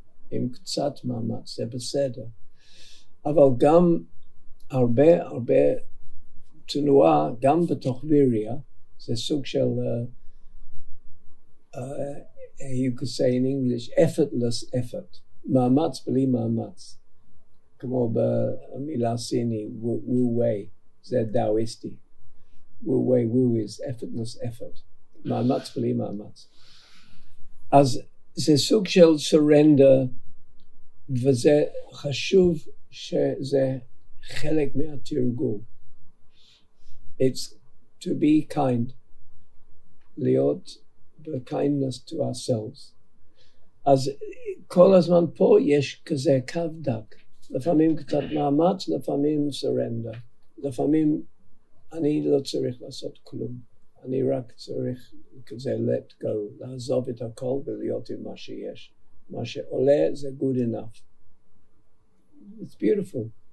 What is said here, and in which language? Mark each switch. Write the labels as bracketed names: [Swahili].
[Hebrew] עם קצת מאמץ, זה בסדר. אבל גם הרבה, הרבה תנועה, גם בתוך ויריה, זה סוג של [English] you could say in English, effortless effort. [Hebrew] מאמץ בלי מאמץ. כמו במילה סיני, wu-wei, זה דאויסטי. [English] Wu-wei, wu is effortless effort. [Hebrew] מאמץ בלי מאמץ. אז זה סוג של surrender, וזה חשוב שזה חלק מהתרגול. [English] It's to be kind. [Hebrew] להיות [English] the kindness to ourselves. [Hebrew] אז כל הזמן פה יש כזה קו דק. לפעמים קצת מאמץ, לפעמים surrender. לפעמים אני לא צריך לעשות כלום. אני רק צריך כזה [English] let go, [Hebrew] לעזוב את הכל ולהיות עם מה שיש. מה שעולה זה [English] good enough. It's beautiful.